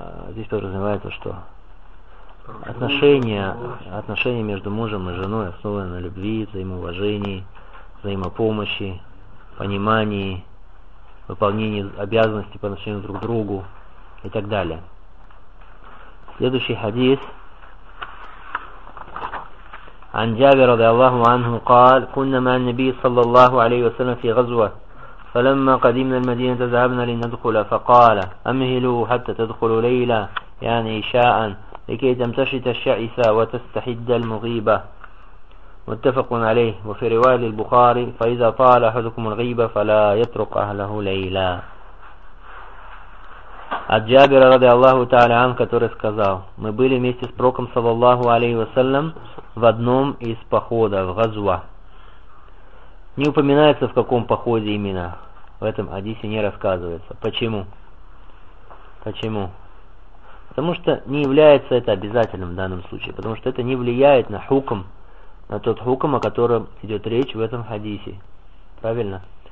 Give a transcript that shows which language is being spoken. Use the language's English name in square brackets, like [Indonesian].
[Russian] Здесь подразумевается, что отношения между мужем и женой основаны на любви, взаимоуважении, взаимопомощи, понимании, выполнении обязанностей по отношению друг к другу и так далее. Следующий хадис. [Arabic] عن جابر رضي الله عنه قال كنا مع النبي صلى الله عليه وسلم في غزوة فلما قدمنا المدينة ذهبنا لندخل فقال أمهلوا حتى تدخلوا ليلة يعني عشاء لكي تمتشط الشعث وتستحد المغيبة متفق عليه وفي رواية البخاري فإذا طال أحدكم الغيبة فلا يترك أهله ليلة عن جابر رضي الله تعالى عنه [Russian] который сказал мы были вместе с пророком [Arabic] صلى الله عليه وسلم [Russian] в одном из походов, газва. Не упоминается, в каком походе именно. В этом хадисе не рассказывается. Почему? Почему? Потому что не является это обязательным в данном случае. Потому что это не влияет на хукм, на тот хукм, о котором идет речь в этом хадисе. Правильно?